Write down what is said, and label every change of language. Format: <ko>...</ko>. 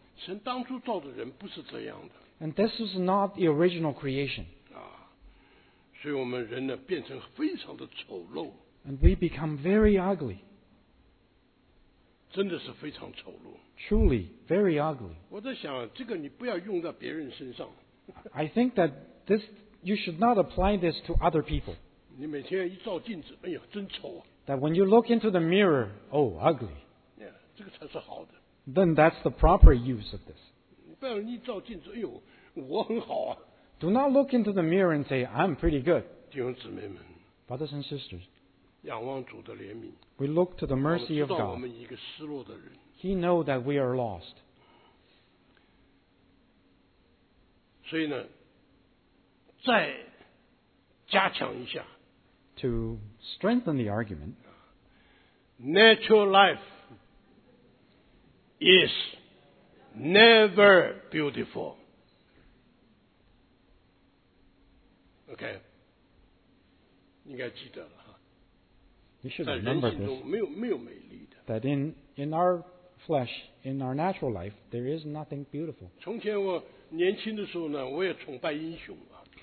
<zh>神当初造的人不是这样的。</zh> <en>And this is not the original creation.</en> <zh>所以我们人呢变成非常的丑陋。</zh> <en>And we become very ugly.</en> <zh>真的是非常丑陋。</zh> <en>Truly, very ugly.</en> <zh>我在想这个你不要用在别人身上。</zh> <en>I think that this, you should not apply this to other people.</en> <zh>你每天一照镜子，哎呀，真丑啊。</zh> <en>That when you look into the mirror, oh, ugly.</en> <zh>Yeah, 这个才是好的。</zh> <en>Then that's the proper use of this.</en> <zh>不要一照镜子，哎呦，我很好啊。</zh> <en>Do not look into the mirror and say, I'm pretty good.</en> <zh>弟兄姊妹们,</zh> <en>Brothers and sisters,</en> <zh>仰望主的怜悯,</zh> <en>we look to the mercy of God. He knows that we are lost.</en> <zh>所以呢, 再加强一下,</zh> <en>to strengthen the argument, natural life is never beautiful.</en> <zh>OK, 应该记得了。</zh> <en>You should remember this.</en> <zh>没有美丽的。</zh> <en>That in our flesh, in our natural life, there is nothing beautiful.</en> <zh>从前我年轻的时候呢，我也崇拜英雄啊。</zh>